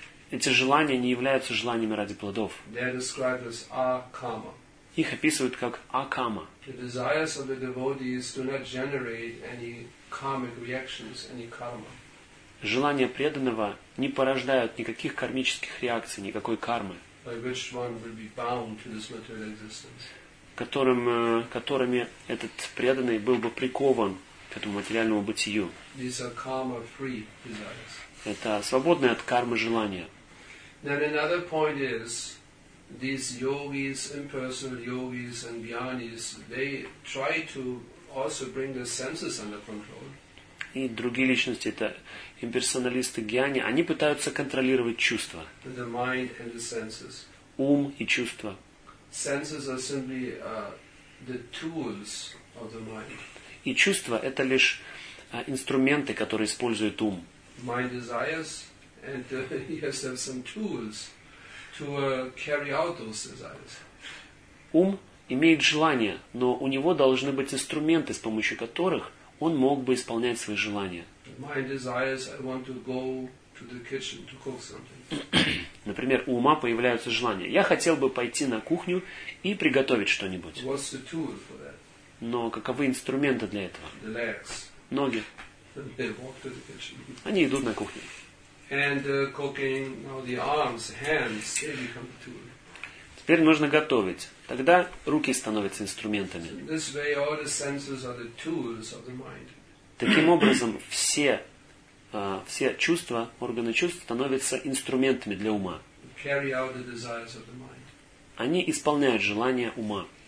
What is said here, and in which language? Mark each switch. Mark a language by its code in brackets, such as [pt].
[ru] Эти желания не являются желаниями ради плодов. [en] They are described as akama. [ru] Их описывают как акама. [en] The desires of the devotees do not generate any karmic reactions, any karma. [ru] Желания преданного не порождают никаких кармических реакций, никакой кармы, [en] by which one will be bound to this material existence. [ru] Которыми этот преданный был бы прикован к этому материальному бытию. [en] These are karma-free desires. [ru] Это свободные от кармы желания. [en] Then another point is, these yogis, impersonal yogis and jnanis, they try to also bring their senses under control. [ru] И другие личности, это имперсоналисты, гьяни, они пытаются контролировать чувства. [en] The mind and the senses. [ru] Ум и чувства. [en] Senses are simply the tools of the mind. [ru] И чувства – это лишь инструменты, которые использует ум. [en] My desires, and he has some tools to carry out those desires. [ru] Ум имеет желание, но у него должны быть инструменты, с помощью которых он мог бы исполнять свои желания. [en] My desires, I want to go to the kitchen to cook something. [ru] Например, у ума появляются желания. Я хотел бы пойти на кухню и приготовить что-нибудь. [en] What's the tool for that? [ru] Но каковы инструменты для этого? [en] The legs. [ru] Ноги. [en] They walk to the kitchen. [ru] Они идут на кухню. [en] And cooking, now the arms, hands, they become the tool. [ru] Теперь нужно готовить. Тогда руки становятся инструментами. [en] Way, [ru] таким образом, все все чувства, органы чувств становятся инструментами для ума. [en] Carry out the desires of the mind. [ru] Они исполняют желания ума.